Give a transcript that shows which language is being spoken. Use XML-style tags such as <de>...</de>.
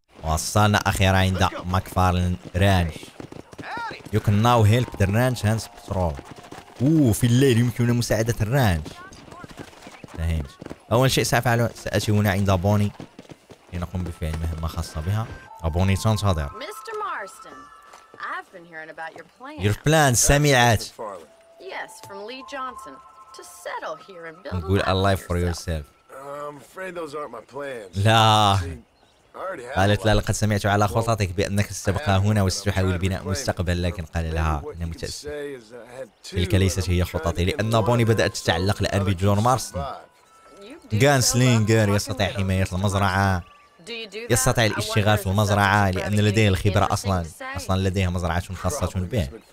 <ar>وصلنا أخيرا عند مكفارلن رانش.</ar> <en>You can now help the ranch hands patrol.</en> <ar>أوه في الليل يمكننا مساعدة الرانش. فهمت. أول شيء سأفعله سأتي هنا عند بوني لنقوم بفعل مهمة خاصة بها. أبوني تنتظر.</ar> <en>Mr. Marston, I've been hearing about your plan. Your plan</en> <ar>سمعت.</ar> <en>Yes, from Lee Johnson to settle here and build. Good life for yourself. I'm afraid those aren't my plans.</en> <ar>لا. قالت لا لقد سمعت على خططك بأنك ستبقى هنا وستحاول بناء مستقبل، لكن قال لها أنا متأسف. تلك ليست هي خططي، لأن بوني بدأت تتعلق الآن بجون مارستون. غانسلينجر يستطيع حماية المزرعة، يستطيع الاشتغال في المزرعة لأن لديه الخبرة أصلا لديها مزرعة خاصة به.</ar>